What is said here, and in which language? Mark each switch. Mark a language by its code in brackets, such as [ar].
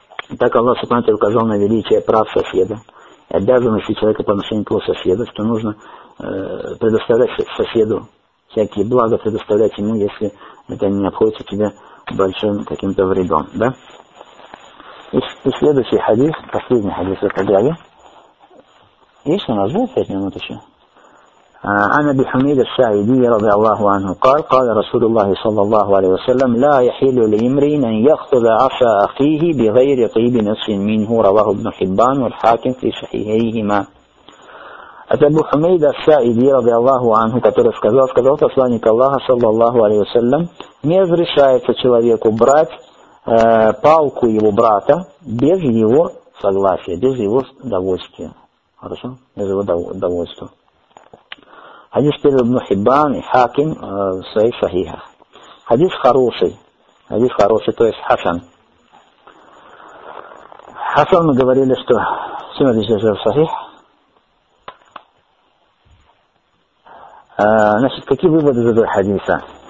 [ru] И так Аллах Субхану указал на величие прав соседа, обязанности человека по отношению к его соседу, что нужно предоставлять соседу всякие блага, предоставлять ему, если это не обходится тебе большим каким-то вредом. Да? И следующий хадис, последний хадис в этой главе. Есть у нас, да, 5 минут еще? [ar] عن أبي حميد الساعدي رضي الله عنه قال قال رسول الله صلى الله عليه وسلم لا يحل لامرئ أن يأخذ عصا أخيه بغير طيب نفس منه رواه ابن حبان والحاكم في صحيحيهما [ru] أبو حميد الساعدي رضي الله عنه который сказал сказал посланник Аллаха صلى الله عليه وسلم не разрешается человеку брать палку его брата без его согласия без его довольствия хорошо без его довольства Хадис перед Ибн Хиббан и Хаким в своих сахихах. Хадис хороший, то есть Хасан. Хасан мы говорили, что всем здесь в сахих. Значит, какие выводы из этого хадиса?